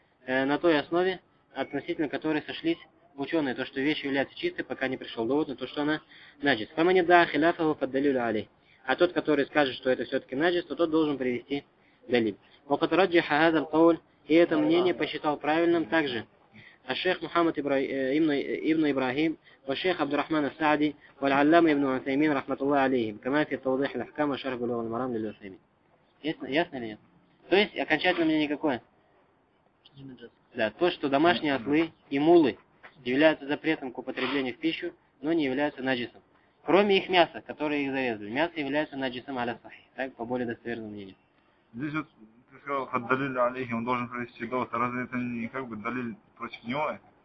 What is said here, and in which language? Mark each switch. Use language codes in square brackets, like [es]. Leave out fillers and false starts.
[ru] На той основе, относительно которой сошлись ученые. То, что вещь является чистой, пока не пришел довод на то, что она наджис. [ar] Фа ман йаддъии хиляфаху фа ад-далилу алейхи. [ru] А тот, который скажет, что это все-таки наджис, то тот должен привести далиль. [ar] Ва кад раджаха хадза аль-кауль. [ru] И это мнение посчитал правильным также. [ar] الشيخ محمد ابن إبراهيم والشيخ عبد الرحمن السعدي والعلامة ابن عثيمين رحمة الله عليهم كما في توضيح الأحكام وشرح بلوغ المرام للعثيمين. [ru] ясно ли это? То есть окончательное мнение какое? Да, то, что домашние ослы и мулы являются запретом к употреблению в пищу, но не являются наджисом. Кроме их мяса, которое их зарезали. Мясо является наджисом аля сахи. Так, по более достоверному мнению. Здесь вот ты сказал, что далиль алейхи, он должен провести довод. А разве это не как бы далиль против него?